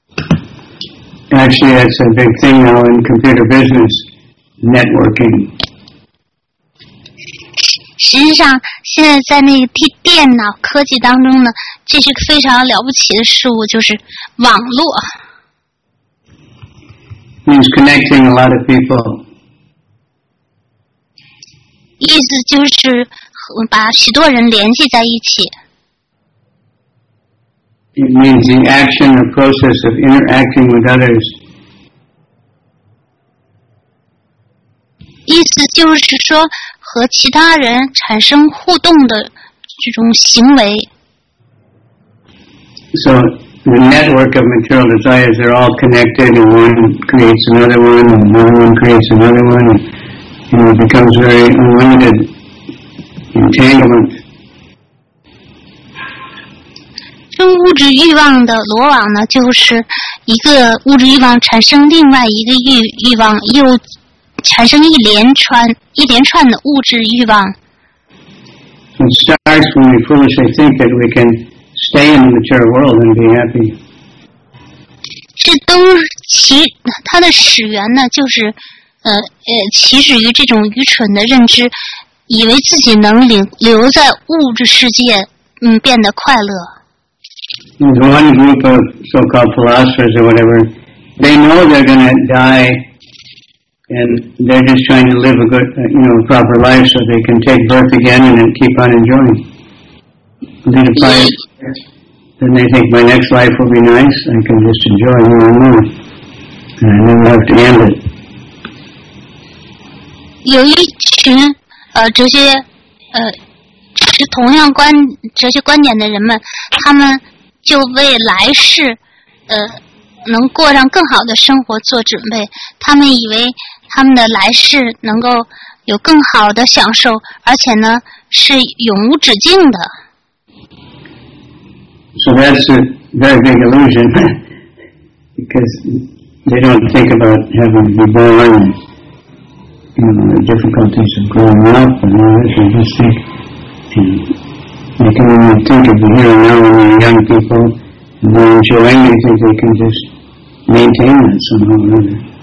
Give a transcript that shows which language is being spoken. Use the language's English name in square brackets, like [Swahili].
[English] Actually, that's a big thing now in computer business, networking. [Chinese] 实际上，现在在那个电脑科技当中呢，这是非常了不起的事物，就是网络。 [English] Means connecting a lot of people. [Chinese] 意思就是把许多人联系在一起。 [English] It means the action or process of interacting with others. [Chinese] 意思就是说和其他人产生互动的这种行为。 [English] So the network of material desires are all connected and one creates another one and another one creates another one and it becomes very unlimited entanglement. [Chinese] 生物质欲望的罗网呢，就是一个物质欲望产生另外一个欲望，又产生一连串的物质欲望。 [English] It starts when we foolishly think that we can stay in the material world and be happy. [Chinese] 这都起它的始源呢，就是起始于这种愚蠢的认知，以为自己能留在物质世界，变得快乐。 [English] There's one group of so-called philosophers or whatever, they know they're going to die and they're just trying to live a good, you know, proper life so they can take birth again and then keep on enjoying. Then, if I, then they think my next life will be nice, I can just enjoy more and more. And I never have to end it. [Chinese] 有一群这些是同样观哲学观点的人们，他们就为来世能过上更好的生活做准备，他们以为他们的来世能够有更好的享受，而且呢是永无止境的。 [English] So that's a very big illusion because they don't think about having to be born and, you know, the difficulties of growing up and all this. They just think, they can only think of the here and now when they're young people and they're enjoying it, think they can just maintain it somehow or other.